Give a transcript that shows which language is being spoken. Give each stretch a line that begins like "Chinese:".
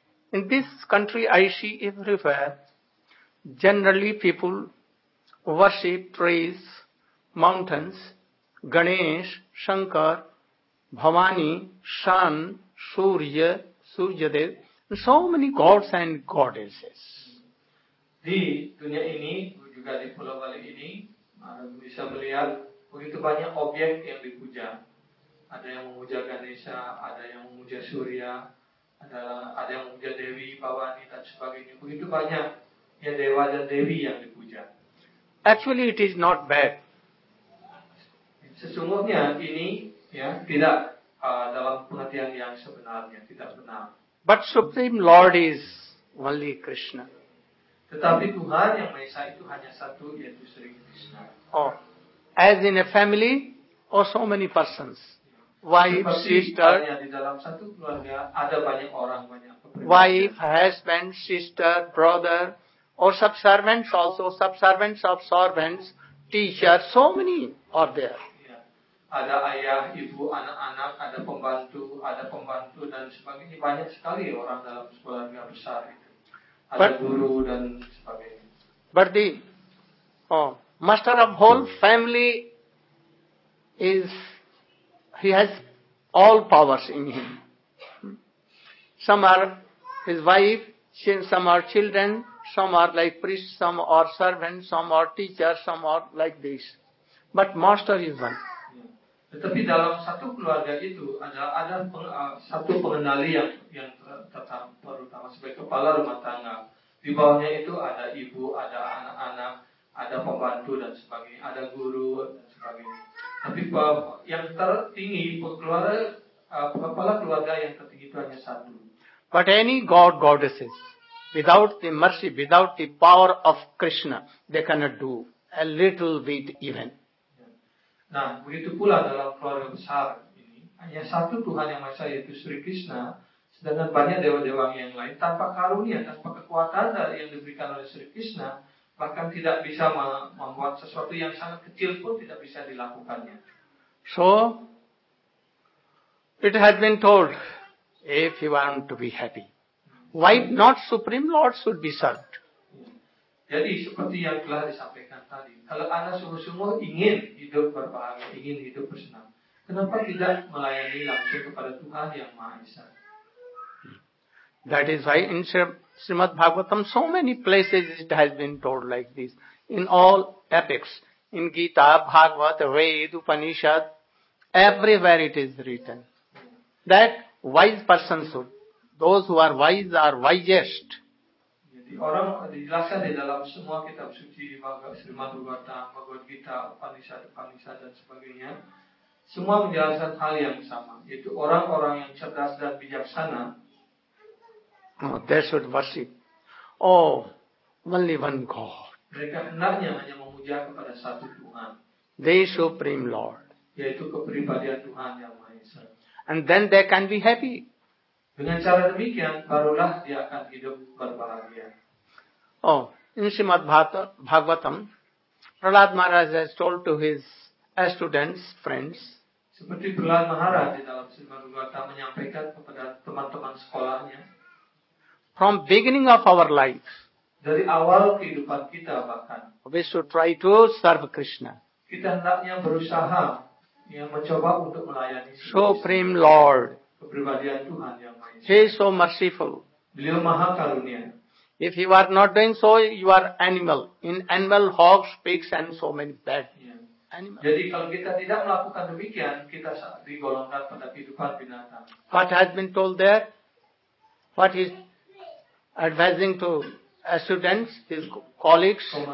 English: In this country I see everywhere, generally people worship, praise mountains, Ganesh, Shankar, Bhavani, Sun, Surya, Suryadev, so many gods and goddesses.
Indonesian: Di dunia ini, juga di Pulau Bali ini, bisa melihat begitu banyak objek yang dipuja. Ada yang memuja Ganesha, ada yang memuja Surya, ada yang memuja Dewi, Bhavani, dan sebagainya. Begitu banyak yang dewa dan dewi yang dipuja.
English: Actually, it is not bad.
Indonesian: Sesungguhnya ini ya tidak dalam pengertian yang sebenarnya, tidak benar.
English: But Supreme Lord is only Krishna.
Indonesian: Tetapi Tuhan yang Maha Esa itu hanya satu, yaitu Sri Krishna.
English: Oh, as in a family or so many persons. Wife, sister.
Indonesian: Hanya di dalam satu keluarga ada banyak orang, banyak pribadi.
English: Wife, husband, sister, brother or subservants also, subservants of servants, teacher, so many are there.
Indonesian: Ada ayah, ibu, anak-anak, ada pembantu, dan sebagainya. Banyak sekali orang dalam sekolah yang besar. Ada
English: but,
Indonesian: guru dan sebagainya.
English: But the master of whole family is, he has all powers in him. Some are his wife, some are children, some are like priests, some are servants, some are teachers, some are like this. But master is one.
Indonesian: Tetapi dalam satu keluarga itu ada satu pengendali yang terutama sebagai kepala rumah tangga. Di bawahnya itu ada ibu, ada anak-anak, ada pembantu dan sebagainya, ada guru dan sebagainya. Tapi yang tertinggi kepala keluarga yang tertinggi itu hanya satu.
English: But any god goddesses without the mercy, without the power of Krishna, they cannot do a little bit even.
Indonesian: Nah, begitu pula dalam keluarga besar ini, hanya satu Tuhan yang Maha Esa yaitu Sri Krishna, sedangkan banyak dewa-dewa yang lain tanpa karunia, tanpa kekuatan yang diberikan oleh Sri Krishna, bahkan tidak bisa membuat sesuatu yang sangat kecil pun tidak bisa dilakukannya.
English: So, it has been told, if you want to be happy, why not Supreme Lord should be served?
Indonesian: Jadi seperti yang telah disampaikan tadi, kalau Anda sungguh-sungguh ingin hidup berbahagia, ingin hidup bersenang, kenapa tidak melayani langsung kepada Tuhan yang Maha Esa?
English: That is why in Srimad Bhagavatam, so many places it has been told like this. In all epics, in Gita, Bhagavat, Ved, Upanishad, everywhere it is written that wise person should, those who are wise are wisest.
Indonesian: Jadi orang dijelaskan di dalam semua kitab suci Srimad Bhagavatam, Bhagavad Gita, Upanishad, dan sebagainya, semua menjelaskan hal yang sama, yaitu orang-orang yang cerdas dan bijaksana.
English: Oh, they should worship. Oh, only one God.
Indonesian: Mereka hendaknya hanya memuja kepada satu Tuhan.
English: The Supreme Lord.
Indonesian: Yaitu kepribadian Tuhan yang Maha Esa.
English: And then they can be happy.
Indonesian: Dengan cara demikian, barulah dia akan hidup berbahagia.
English: Oh, in Srimad Bhagavatam, Prahlad Maharaj has told to his students, friends.
Indonesian: Seperti Prahlad Maharaj di dalam Srimad Bhagavatam menyampaikan kepada teman-teman sekolahnya.
English: From beginning of our life,
Indonesian: dari awal kehidupan kita bahkan,
English: we should try to serve Krishna.
Indonesian: Kita hendaknya berusaha yang mencoba untuk melayani
English: Supreme Lord.
Indonesian: Kepribadian Tuhan yang Maha Esa.
English: He is so merciful.
Indonesian: Beliau Maha Karunia.
English: If you are not doing so, you are animal. In animal, hogs, pigs, and so many bad animals.
Indonesian: Jadi kalau kita tidak melakukan demikian, kita digolongkan pada kehidupan binatang.
English: What has been told there? what he is advising to students, his colleagues.